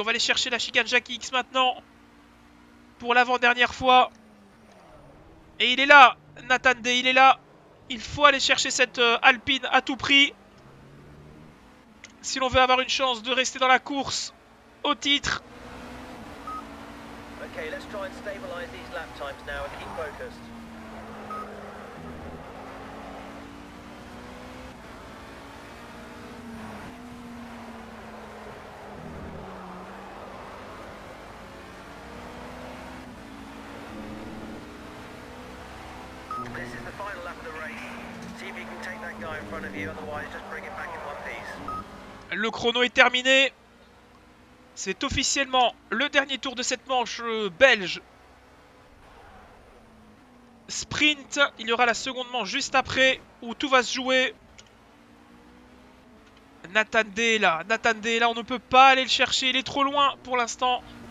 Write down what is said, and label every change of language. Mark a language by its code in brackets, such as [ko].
[fr] On va aller chercher la chicane Jackie X maintenant. Pour l'avant-dernière fois. Et il est là, Nathan Day, il est là. Il faut aller chercher cette Alpine à tout prix. Si l'on veut avoir une chance de rester dans la course au titre. [en] Okay, let's try and stabilize these lap times now and keep focused. This is the final lap of the race. See if you can take that guy in front of you, otherwise just bring it back in one piece. [fr] Le chrono est terminé. C'est officiellement le dernier tour de cette manche belge. Sprint. Il y aura la seconde manche juste après où tout va se jouer. Nathan Day est là. Nathan Day est là. On ne peut pas aller le chercher. Il est trop loin pour l'instant.